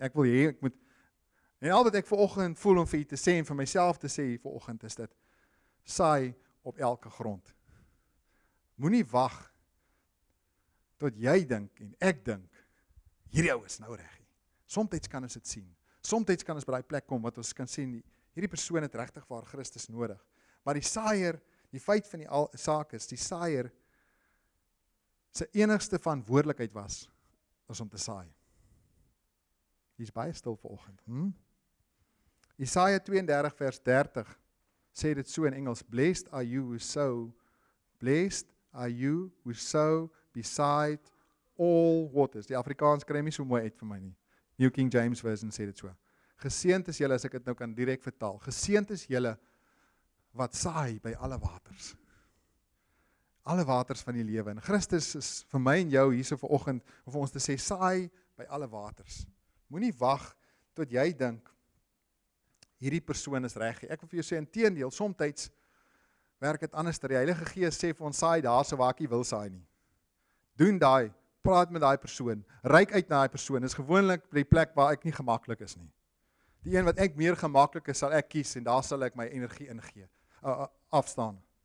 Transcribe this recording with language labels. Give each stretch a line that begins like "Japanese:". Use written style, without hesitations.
Afrikaans: Ek wil hê, ek moet, en al wat ek vanoggend voel om vir u te sê, en vir myself te sê vanoggend, is dit, saai op elke grond. Moenie wag, tot jy dink, en ek dink, hierdie ou is nou reg. Somtijds kan ons dit sien. Somtijds kan ons by die plek kom, wat ons kan sien, hierdie persoon het regtig waar Christus nodig. Maar die saaier, die feit van die saak is, die saaier, sy enigste verantwoordelikheid was, is om te saai. Hy is baie stil vanoggend. Jesaja 32 vers 30, sê dit so in Engels,
English: blessed are you who sow beside all waters.
Afrikaans: Die Afrikaans kry nie so mooi uit vir my nie. New King James Version sê dit so. Geseend is julle, as ek dit nou kan direct vertaal, geseend is julle wat saai by alle waters. Alle waters van die lewe. En Christus is vir my en jou hier so vanoggend vir ons te sê, saai by alle waters. Moenie wag tot jy dink, hierdie persoon is reg. Ek wil vir jou sê, inteendeel, somtijds werk het anders. Die Heilige Gees sê vir ons, saai daar so waar ek jy wil saai nie. Doen daai, praat met daai persoon, reik uit na die persoon, is gewoonlik die plek waar ek nie gemakkelijk is nie. Die een wat ek meer gemakkelijk is, sal ek kies, en daar sal ek my energie ingee, afstaan.